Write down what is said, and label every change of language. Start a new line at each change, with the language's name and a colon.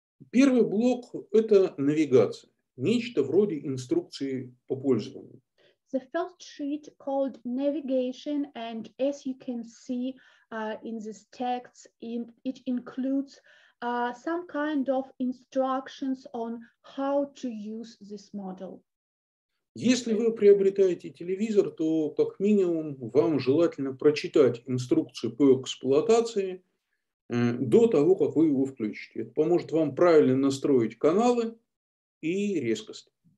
Russian: Первый блок – это навигация, нечто вроде инструкции по пользованию.
English: The first sheet called navigation, and as you can see in this text, it includes some kind of instructions on how to use this model.
Russian: Если вы приобретаете телевизор, то как минимум вам желательно прочитать инструкцию по эксплуатации до того, как вы его включите. Это поможет вам правильно настроить каналы и резкость.